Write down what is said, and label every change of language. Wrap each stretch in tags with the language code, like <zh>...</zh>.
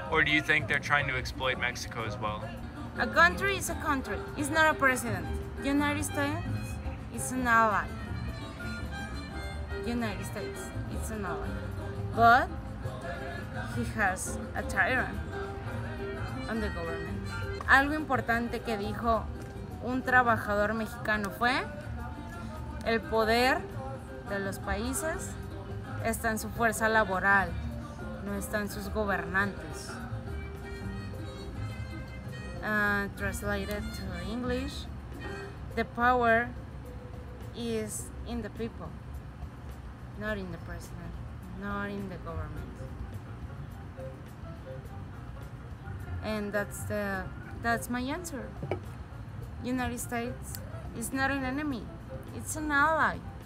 <en>Or do you think they're trying to exploit Mexico as well? A country is a country. It's not a president. United States is an ally. United States is an ally. But he has a tyrant on the government.</en> <es>Algo importante que dijo un trabajador mexicano fue: el poder de los países está en su fuerza laboral, no está en sus gobernantes.</es> <en>Translated to English, the power is in the people, not in the president, not in the government. And that's my answer. United States is not an enemy, it's an ally.</en>